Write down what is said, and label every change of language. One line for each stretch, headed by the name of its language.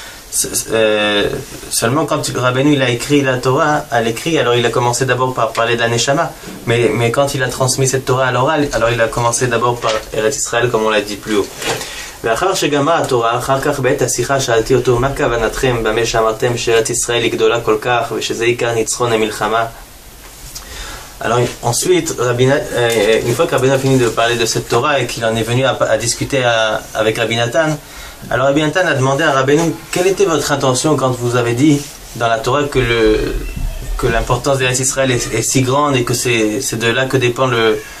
French: Seulement quand Rabbeinu il a écrit la Torah à l'écrit, alors il a commencé d'abord par parler de la Neshama, mais quand il a transmis cette Torah à l'oral, alors il a commencé d'abord par Eretz Israël, comme on l'a dit plus haut.
Hebrew: ואחר שגמר התורה, אחר כך בעת השיחה שאלתי אותו, מה כוונתכם במה שאמרתם שארץ ישראל היא גדולה כל כך ושזה עיקר ניצחון המלחמה?
French: Alors, ensuite, une fois que Rabbi Nathan a fini de parler de cette Torah et qu'il en est venu à discuter avec Rabbi Nathan, alors Rabbi Nathan a demandé à Rabbeinu, quelle était votre intention quand vous avez dit dans la Torah que l'importance d'Israël est si grande et que c'est de là que dépend le,